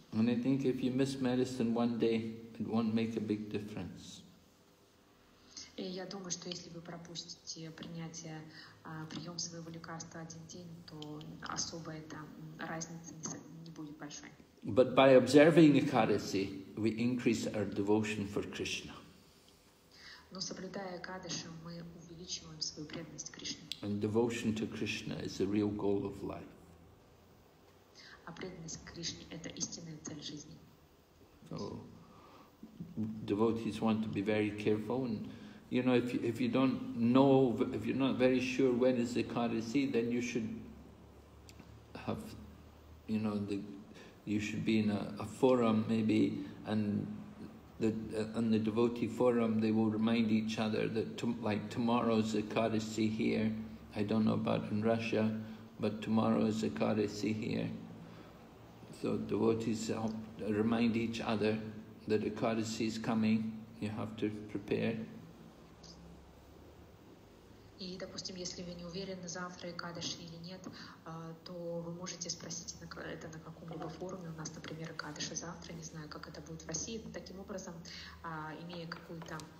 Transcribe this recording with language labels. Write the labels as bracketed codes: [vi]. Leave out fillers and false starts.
[en] And I think if you miss medicine one day, it won't make a big difference. [ru] И я думаю, что если вы пропустите принятие, прием своего лекарства один день, то особо эта разница не будет большой. [en] But by observing Ekadasi, we increase our devotion for Krishna. [ru] Но соблюдая Экадаши, мы увеличиваем свою преданность Кришне. [en] And devotion to Krishna is the real goal of life. [ru] А преданность Кришне – это истинная цель жизни. [en] So, devotees want to be very careful. And you know, if you don't know, if you're not very sure when is Ekadasi, then you should have, you know, you should be in a forum maybe, and the devotee forum, they will remind each other that tomorrow's Ekadasi here. I don't know about in Russia, but tomorrow's Ekadasi here. So devotees help remind each other that Ekadasi is coming. You have to prepare. [ru] И, допустим, если вы не уверены, завтра Экадаши или нет, то вы можете спросить это на каком-либо форуме. У нас, например, Экадаши завтра, не знаю, как это будет в России. Но таким образом, имея какую-то...